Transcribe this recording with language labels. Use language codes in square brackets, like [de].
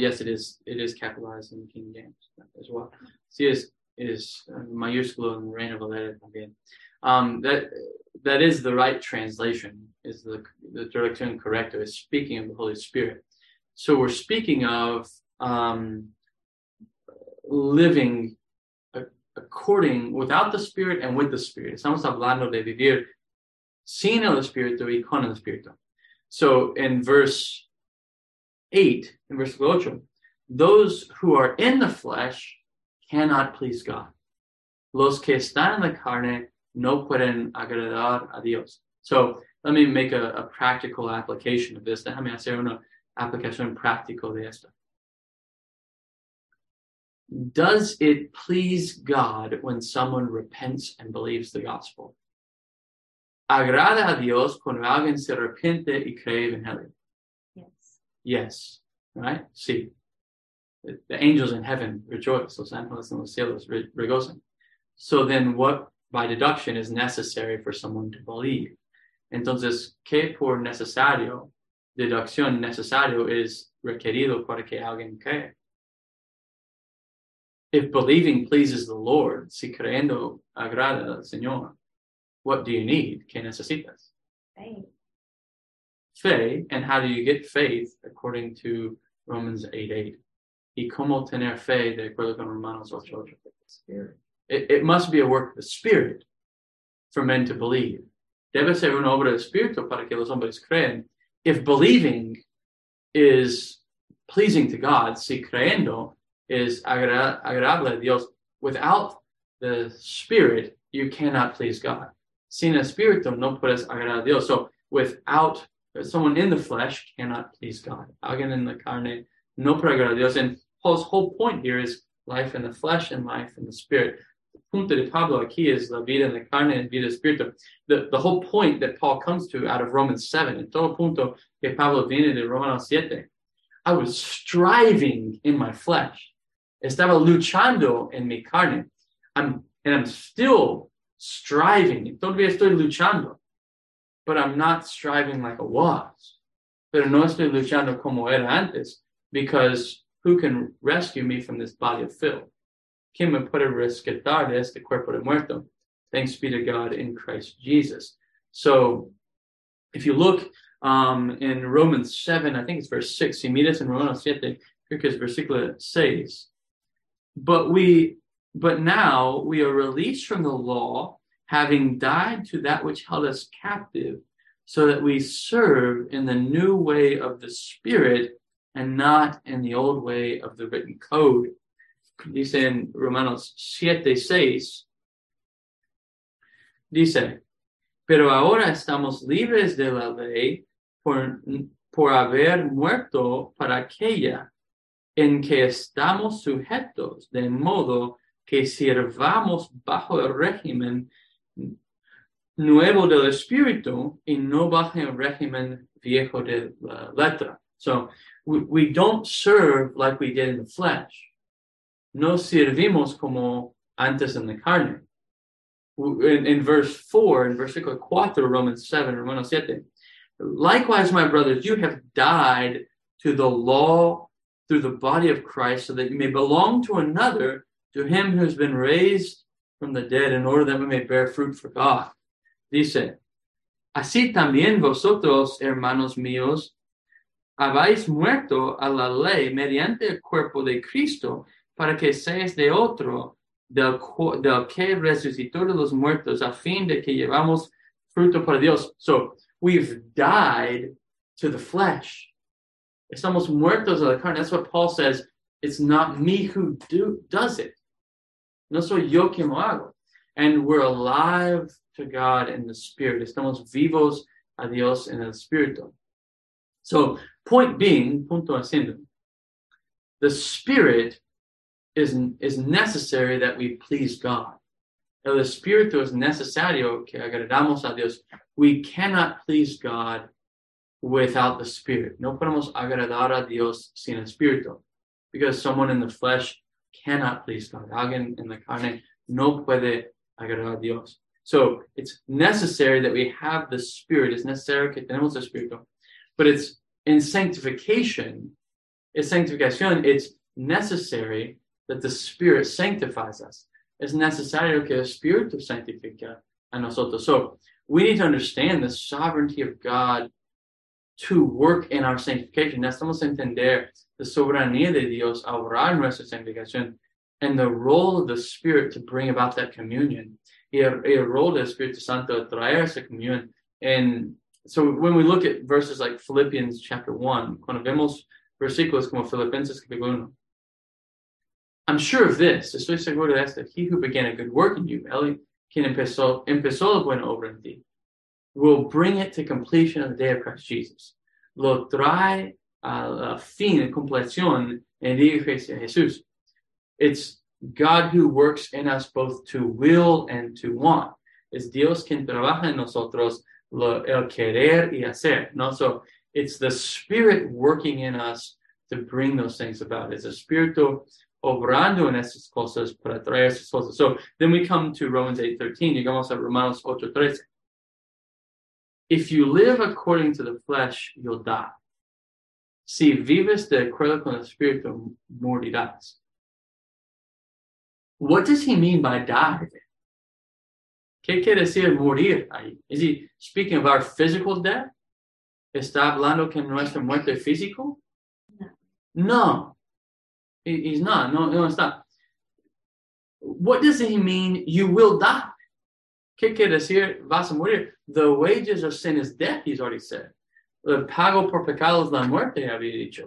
[en] Yes, it is capitalized in King James as well. [es] Sí, es mayúsculo en Reina Valera también. [en] That is the right translation. Is the [es] traducción correcta? [en] Is speaking of the Holy Spirit. So we're speaking of living according without the Spirit and with the Spirit. [es] Estamos hablando de vivir sin el Espíritu y con el Espíritu. [en] So in verse 8, in verse 8, those who are in the flesh cannot please God. [es] Los que están en la carne no pueden agradar a Dios. [en] So let me make a practical application of this. [es] Déjame hacer una aplicación práctica de esto. [en] Does it please God when someone repents and believes the gospel? [es] ¿Agrada a Dios cuando alguien se arrepiente y cree en Evangelio? [en] Yes. Yes. Right? Sí. The angels in heaven rejoice. [es] Los ángeles en los cielos regocen. [en] So then what, by deduction, is necessary for someone to believe? [es] Entonces, ¿qué por necesario, deducción necesario es requerido para que alguien cree? [en] If believing pleases the Lord, [es] si creyendo agrada al Señor, [en] what do you need? [es] ¿Qué necesitas? [en] Faith. Faith, and how do you get faith according to Romans 8:8? [es] ¿Y cómo tener fe de acuerdo con Romanos 8:8? [en] It must be a work of the Spirit for men to believe. [es] Debe ser una obra del Espíritu para que los hombres creen. [en] If believing is pleasing to God, [es] si creyendo [en] is [es] agradable a Dios, [en] without the Spirit, you cannot please God. [es] Sin Espíritu, no puedes agradar a Dios. [en] So, without someone in the flesh, cannot please God. [es] Alguien en la carne, no puede agradar a Dios. [en] And Paul's whole point here is life in the flesh and life in the Spirit. [es] Punto de Pablo aquí es la vida en la carne y vida espiritual. [en] The whole point that Paul comes to out of Romans 7, [es] en todo punto que Pablo viene de Romanos 7, [en] I was striving in my flesh. [es] Estaba luchando en mi carne. [en] I'm still striving. [es] Todavía estoy luchando. [en] But I'm not striving like I was. [es] Pero no estoy luchando como era antes. [en] Because who can rescue me from this body of filth? [es] ¿Quién me puede rescatar de este cuerpo de muerto? [en] Thanks be to God in Christ Jesus. So, if you look in Romans 7, I think it's verse 6. [es] Si miras en Romanos 7, creo que es versículo 6. [en] But now we are released from the law, having died to that which held us captive, so that we serve in the new way of the Spirit and not in the old way of the written code. [es] Dice en Romanos 7:6, dice, pero ahora estamos libres de la ley por haber muerto para aquella en que estamos sujetos, de modo que sirvamos bajo el régimen nuevo del Espíritu y no bajo el régimen viejo de la letra. [en] So, we don't serve like we did in the flesh. [es] No servimos como antes en la carne. [en] In verse 4, [es] in versículo 4, [en] Romans 7, [es] Romanos 7. [en] Likewise, my brothers, you have died to the law through the body of Christ, so that you may belong to another, to him who has been raised from the dead, in order that we may bear fruit for God. [es] Dice, así también vosotros, hermanos míos, habéis muerto a la ley mediante el cuerpo de Cristo, para que seáis de otro, del que resucitó de los muertos, a fin de que llevamos fruto para Dios. [en] So, we've died to the flesh. [es] Estamos muertos a la carne. [en] That's what Paul says. It's not me who does it. [es] No soy yo quien lo hago. [en] And we're alive to God in the Spirit. [es] Estamos vivos a Dios en el Espíritu. [en] So, point being, [es] punto haciendo, [en] the Spirit is necessary that we please God. [es] El Espíritu es necesario que agradamos a Dios. [en] We cannot please God without the Spirit. [es] No podemos agradar a Dios sin Espíritu. [en] Because someone in the flesh cannot please God. [es] Alguien en la carne no puede agradar a Dios. [en] So it's necessary that we have the Spirit. [es] Es necesario que tenemos el Espíritu. [en] But it's in sanctification. [es] Es sanctificación. [en] It's necessary that the Spirit sanctifies us. [es] Es necesario que el Espíritu santifica a nosotros. [en] So, we need to understand the sovereignty of God to work in our sanctification. [es] Necesitamos entender la soberanía de Dios a obrar en nuestra santificación [en] and the role of the Spirit to bring about that communion. [es] Y el rol del Espíritu Santo a traer esa comunión. [en] And so, when we look at verses like Philippians chapter 1, [es] cuando vemos versículos como Filipenses capítulo 1, [en] I'm sure of this, [es] estoy seguro de esto, [en] he who began a good work in you, [es] él quien empezó la buena obra en ti, [en] will bring it to completion of the day of Christ Jesus. [es] Lo trae a la fin, [en] a completion, [es] en el día de Jesús. [en] It's God who works in us both to will and to want. [es] Es Dios quien trabaja en nosotros lo, el querer y hacer. [en] No, so it's the Spirit working in us to bring those things about. It's a spiritual [es] obrando en estas cosas para traer estas cosas. [en] So, then we come to Romans 8:13. [es] Llegamos a Romanos 8:13. [en] If you live according to the flesh, you'll die. [es] Si vives de acuerdo con el espíritu, morirás. [en] What does he mean by die? [es] ¿Qué quiere decir morir ahí? [en] Is he speaking of our physical death? [es] ¿Está hablando que nuestra muerte es físico? [en] No. No. He's not. [es] No, no está. [en] What does he mean, you will die? [es] ¿Qué quiere decir, vas a morir? [en] The wages of sin is death, he's already said. [es] El pago por pecado es la muerte, había dicho.